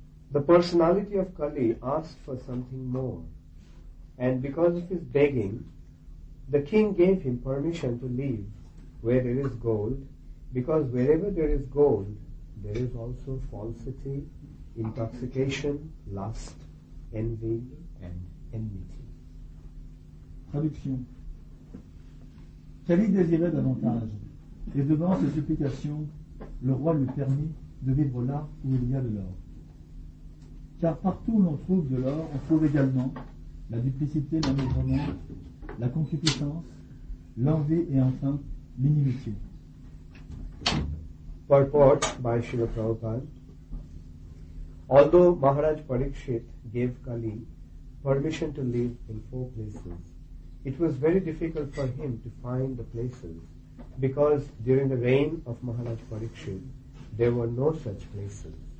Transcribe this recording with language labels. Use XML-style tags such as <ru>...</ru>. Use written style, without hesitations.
<en>The personality of Kali asked for something more, and because of his begging, the king gave him permission to leave where there is gold, because wherever there is gold, there is also falsity, intoxication, lust, envy, and enmity.</en> <fr>Traduction. Kali désirait davantage, et devant ses supplications, le roi lui permit de vivre là où il y a de l'or. Car partout où l'on trouve de l'or, on trouve également la duplicité, l'amoureux, la concupiscence, l'envie et enfin l'inimitié.</fr> <en>Purport by Srila Prabhupada. Although Maharaj Parikshit gave Kali permission to live in four places, it was very difficult for him to find the places because during the reign of Maharaj Parikshit, there were no such places.</en>